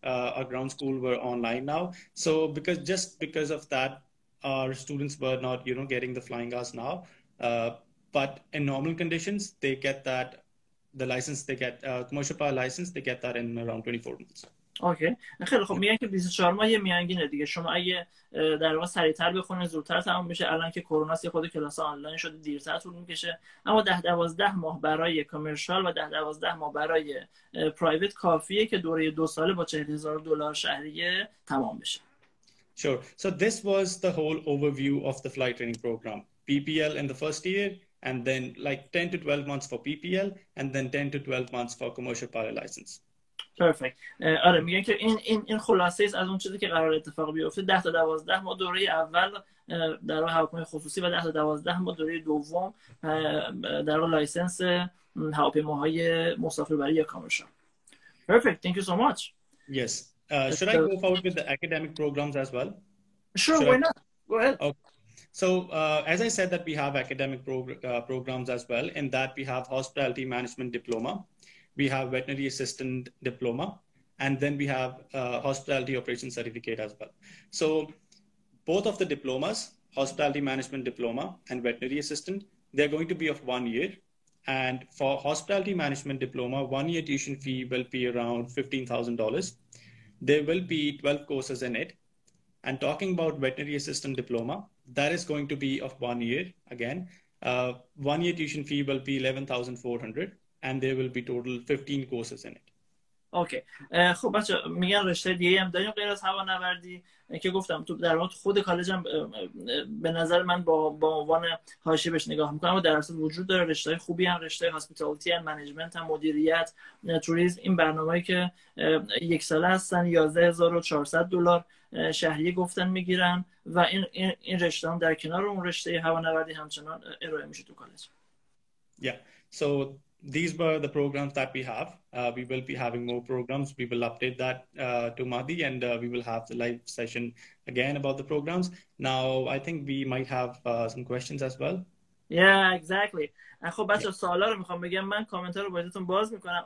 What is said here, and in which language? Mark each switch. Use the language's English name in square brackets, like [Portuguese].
[English] Our ground school were online now. So because just because of that, our students were not, you know, getting the flying hours now. But in normal conditions, they get that, the license, they get commercial power license, they get that in around 24 months. Okay okay. [Persian] خیلی خب میگن که 24 ماه یه میانگینه دیگه، شما اگه در واقع سریعتر بخونید زودتر تمام میشه. الان که کرونا است خود کلاس آنلاین شده دیرتر طول میکشه، اما 10 12 ماه برای کامرشال و 10 12 ماه برای پرایوت کافیه که دوره 2 ساله با 40,000 دلار شهریه تمام بشه. [English] Sure. So this was the whole overview of the flight training program. PPL in the first year and then like 10 to 12 months for PPL and then 10 to 12 months for commercial pilot license. Perfect. [Persian] آره میگن که این خلاصه ایست از اون چیزی که قرار اتفاق بیفته. 10 تا 12 ما دوره اول در هواپیمای خصوصی و 10 تا 12 ما دوره دوم در لایسنس هواپیماهای مسافربری یا کامرشال. [English] Perfect. Thank you so much. Yes. Should I go forward with the academic programs as well? Sure, why not? Go ahead. Okay. So as I said that we have academic programs as well. In that we have hospitality management diploma. We have veterinary assistant diploma, and then we have hospitality operations certificate as well. So both of the diplomas, hospitality management diploma and veterinary assistant, they're going to be of 1 year. And for hospitality management diploma, 1 year tuition fee will be around $15,000. There will be 12 courses in it. And talking about veterinary assistant diploma, that is going to be of 1 year again. 1 year tuition fee will be $11,400. And there will be total 15 courses in it. Okay. [Persian] خب بچه میگن رشته دیگه هم داریم غیر از هوانوردی که گفتم تو در واقع خود کالج هم به نظر من با عنوان حاشیه بهش نگاه میکنم، اما در اصل وجود داره، رشته خوبی هم، رشته هاسپیتالیتی هم، منیجمنت هم، مدیریت، توریسم. این برنامه هایی که 1 ساله هستن 11,400 دلار شهریه گفتن میگیرن و این رشته هم در کنار اون رشته هوانوردی همچنان ارائه میشه تو کالج. [English] Yeah. So these were the programs that we have. We will be having more programs. We will update that to Mahdi, and we will have the live session again about the programs. Now, I think we might have some questions as well. Yeah, exactly. [Persian] خب بچه ها سوالا رو میخوام بگم، من کامنت ها رو بایدتون باز میکنم.